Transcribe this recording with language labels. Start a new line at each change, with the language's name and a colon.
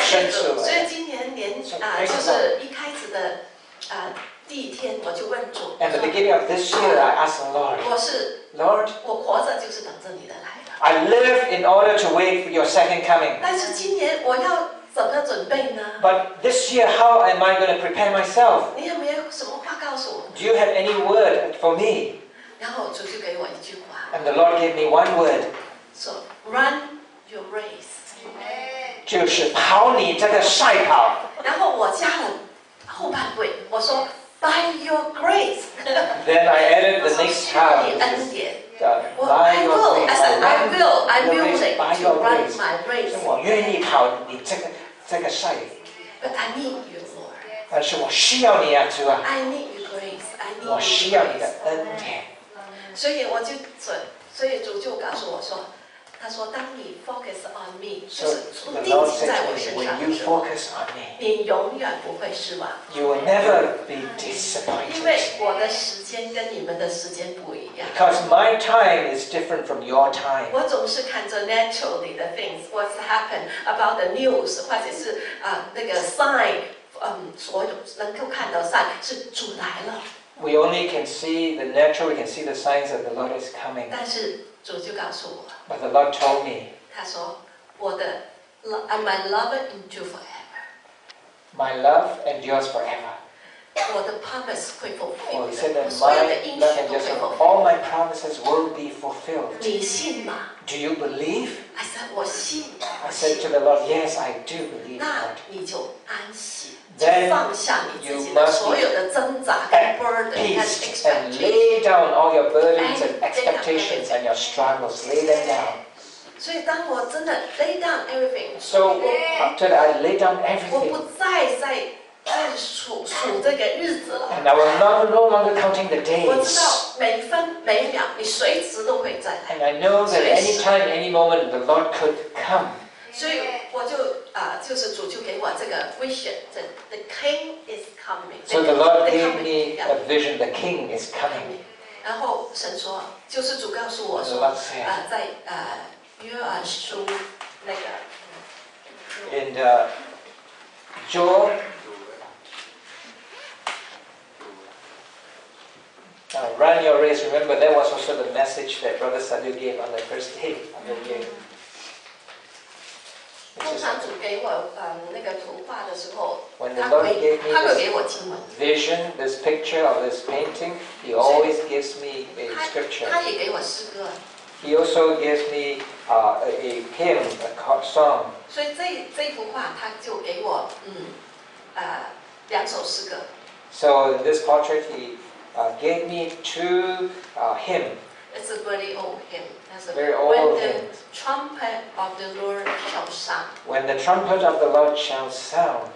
Chinese: 神主，所以今年年就是一开始的第一天我就问主。
English: At the beginning of this year, I asked the Lord.
Chinese: 我是
English: Lord.
Chinese: 我活着就是等着你的来的。
English: I live in order to wait for your second coming.
Chinese: 但是今年我要怎么准备呢？
English: But this year, how am I going to prepare myself?
Chinese: 你有没有什么话告诉我？
English: Do you have any word for me?
Chinese: 然后主就给我一句话。
English: And the Lord gave me one word. So run your race.
Chinese: 就是跑你这个赛跑。然后我加了后半句，我说
English: By your grace. Then I added the next half. 恩典。I will run my race.
Chinese: 我愿意跑你这个赛。
English: But I need you, Lord.
Chinese: 但是我需要你啊，主啊。
English: I need your grace.
Chinese: 我需要你的恩典。所以主就告诉我说，他说当你
English: focus on me，
Chinese: 就是定睛在我身上的时候，你永远不会失望。
English: You will never be disappointed.
Chinese: 因为我的时间跟你们的时间不一样。
English: Because my time is different from your time.
Chinese: 我总是看着
English: naturally the things what's happened about the news，
Chinese: 或者是那个 sign， 所有能够看到 sign 是主来了。
English: We only can see the natural, we can see the signs that the Lord is coming.
Chinese: 但是主就告诉我。
English: But the Lord told me.
Chinese: 他说，我的
English: ，I'm my love endure forever. My love endures forever.
Chinese: 我的 promise 会 fulfill.
English: Well, he said that my love endures forever. All my promises will be fulfilled.
Chinese: 你信吗？
English: Do you believe? I said,
Chinese: 我信。
English: I said to the Lord, yes, I do believe.
Chinese: 那你就安息。放下你自己的所有的挣扎跟 burden
English: and lay down all your burdens and expectations and your struggles. Lay them down.
Chinese: 所以当我真的
English: lay down everything. So after that, I lay down everything.
Chinese: 我不再数这个日子了。
English: And I will no longer counting the days.
Chinese: 我知道每分每秒你随时都会在。
English: And I know that any time, any moment, the Lord could come.
Chinese: 所以我就就是主就给我这个 vision，
English: the king is coming。 So the Lord gave me a vision， the king is coming。
Chinese: 然后神说，就是主告诉我说，在约珥书那个。
English: In the Joel， run your race. Remember that was also the message that Brother Sadhu gave on the first day of the year。
Chinese: 通常主给我那个图画的时候，他会给我经文。
English: Vision, this picture of this painting, he always gives me a scripture.
Chinese: 他也给我诗歌。
English: He also gives me a hymn, a song.
Chinese: 所以这幅画他就给我两首诗歌。
English: So in this portrait, he gave me two hymns. It's a very old hymn. Very old when the trumpet of the Lord shall sound. When the trumpet of the Lord shall sound.